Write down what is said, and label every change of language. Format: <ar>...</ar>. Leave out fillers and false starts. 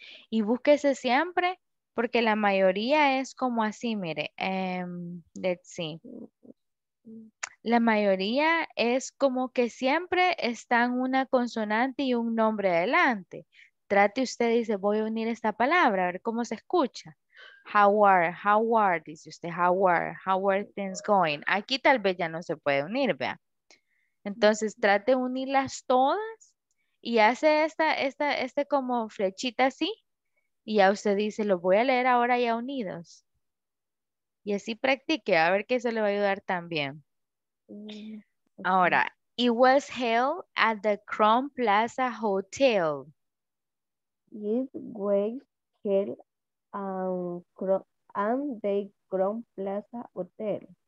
<es>Y búsquese siempre, porque la mayoría es como así, mire.</es> <en>Let's see.</en> <es>La mayoría es como que siempre están una consonante y un nombre adelante. Trate usted, dice, voy a unir esta palabra, a ver cómo se escucha.</es> <en>How are,</en> <es>dice usted,</es> <en>how are things going?</en> <es>Aquí tal vez ya no se puede unir, vea. Entonces, trate de unirlas todas y hace esta como flechita así. Y ya usted dice, lo voy a leer ahora ya unidos. Y así practique, a ver qué eso le va a ayudar también.</es> <en>Ahora, it was held at the Crown Plaza Hotel. It was held and the Crown Plaza Hotel.</en>